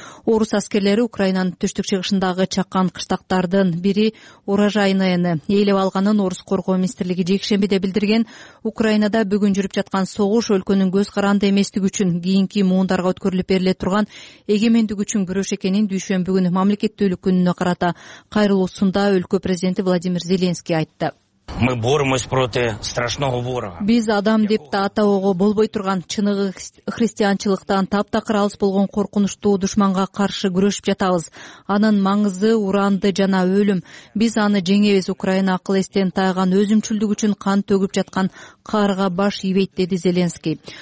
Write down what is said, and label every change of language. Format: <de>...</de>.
<ky>Орус аскерлери Украинанын түштүк чыгышындагы чакан кыштактардын бири урожайныйны ээлеп алганын Орус коргоо министрлиги жекшембиде билдирген. Украинада бүгүн жүрүп жаткан согуш өлкөнүн көз каранды эместиги үчүн кийинки муундарга өткөрүлүп бериле турган эгемендик үчүн күрөш экенин дүйшөмбү күнү мамлекеттүүлүк күнүнө карата кайрылуусунда өлкө президенти Владимир Зеленский айтты.</ky> <ru>Мы боремся против страшного ворога.</ru> <ky>Биз адам деп да атаого болбой турган чыныгы христианчылыктан таптакыр алыс болгон коркунучтуу душманга каршы күрөшүп жатабыз. Анын маңызы уранды жана өлүм. Биз аны жеңебиз. Украина акыл эстен тайган өзүмчүлдүк үчүн кан төгүп жаткан карга баш ийбейт, деди Зеленский.</ky>